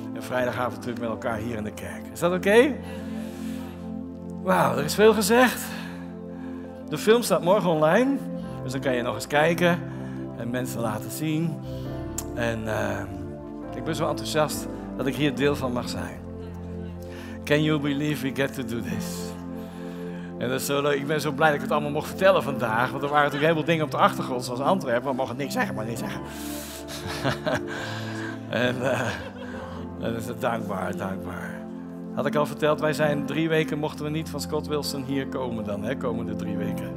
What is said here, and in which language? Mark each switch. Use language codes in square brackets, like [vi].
[nl] En vrijdagavond natuurlijk met elkaar hier in de kerk. Is dat oké? Wauw, er is veel gezegd. De film staat morgen online. Dus dan kan je nog eens kijken. En mensen laten zien. En ik ben zo enthousiast dat ik hier deel van mag zijn. [en] Can you believe we get to do this? [nl] En dat is zo leuk. Ik ben zo blij dat ik het allemaal mocht vertellen vandaag. Want er waren natuurlijk heel veel dingen op de achtergrond. Zoals Antwerpen. We mogen niks zeggen, maar niks zeggen. En dat is dankbaar, dankbaar. Had ik al verteld, wij zijn 3 weken, mochten we niet van Scott Wilson hier komen dan, hè, komende 3 weken.